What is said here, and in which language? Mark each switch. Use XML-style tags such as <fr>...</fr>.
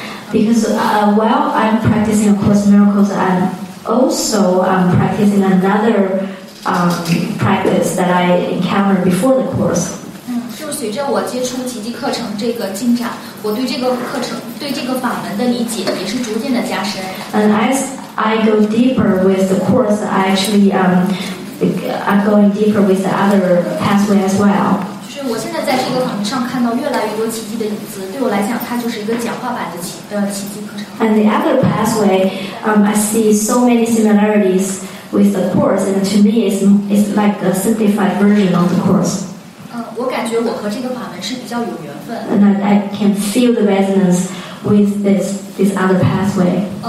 <en>Because while I'm practicing A Course in Miracles, I'm also practicing another practice that I encountered before the course.</en> <zh>随着我接触奇迹课程这个进展，我对这个课程、对这个法门的理解也是逐渐的加深。</zh> <en>And as I go deeper with the course, I actually I'm going deeper with the other pathway as well.</en> <zh>就是我现在在这个法门上看到越来越多奇迹的影子，对我来讲，它就是一个简化版的奇迹课程。</zh> <en>And the other pathway, I see so many similarities with the course, and to me, it's like a simplified version of the course.</en> <zh>我感觉我和这个法门是比较有缘分。</zh> <en>And I can feel the resonance with this other pathway.</en>